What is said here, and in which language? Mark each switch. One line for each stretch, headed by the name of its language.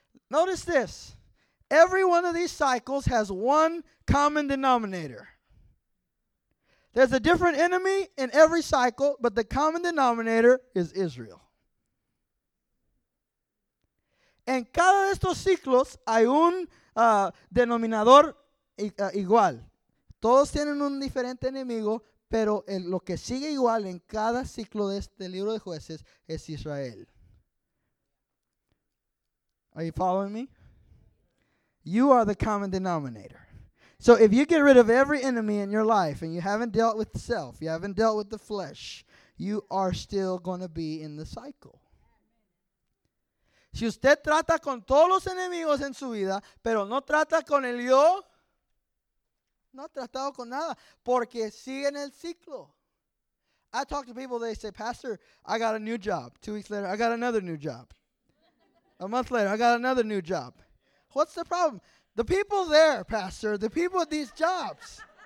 English: Notice this. Every one of these cycles has one common denominator. There's a different enemy in every cycle, but the common denominator is Israel.
Spanish: En cada de estos ciclos hay un denominador igual. Todos tienen un diferente enemigo, pero lo que sigue igual en cada ciclo de este libro de jueces es Israel.
English: Are you following me? You are the common denominator. So if you get rid of every enemy in your life and you haven't dealt with self, you haven't dealt with the flesh, you are still going to be in the cycle.
Spanish: Si usted trata con todos los enemigos en su vida, pero no trata con el yo, no ha tratado con nada, porque sigue en el ciclo.
English: I talk to people, they say, Pastor, I got a new job. 2 weeks later, I got another new job. A month later, I got another new job. What's the problem? The people there, Pastor, the people at these jobs.